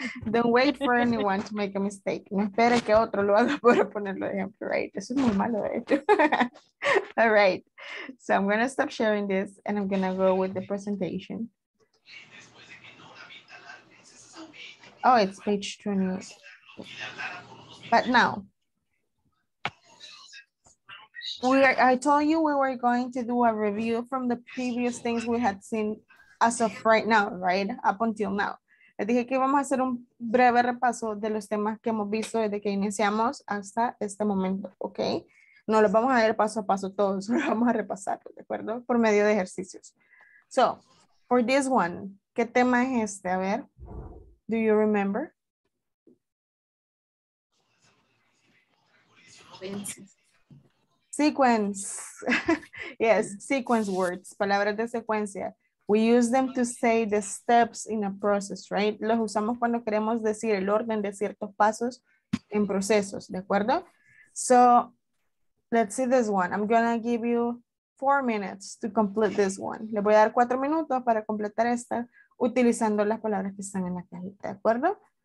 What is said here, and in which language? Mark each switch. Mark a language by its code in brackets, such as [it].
[en] Don't wait for anyone to make a mistake. [es] No espera que otro lo haga para ponerlo de ejemplo. Right. Eso es muy malo, de hecho. [en] All right. So I'm going to stop sharing this and I'm going to go with the presentation. Oh, it's page 28. But now, I told you we were going to do a review from the previous things we had seen as of right now, right? Up until now. [es] Les dije que íbamos a hacer un breve repaso de los temas que hemos visto desde que iniciamos hasta este momento, ¿ok? No los vamos a ver paso a paso todos, los vamos a repasar, ¿de acuerdo? Por medio de ejercicios. [en] So, for this one, [es] ¿qué tema es este? A ver, [en] do you remember? Sequence. Yes, sequence words, [es] palabras de secuencia. [en] We use them to say the steps in a process, right? [es] Los usamos cuando queremos decir el orden de ciertos pasos en procesos, ¿de acuerdo? [en] So, let's see this one. I'm going to give you 4 minutes to complete this one. [es] Le voy a dar 4 minutos para completar esta utilizando las palabras que están en la cajita, ¿de acuerdo?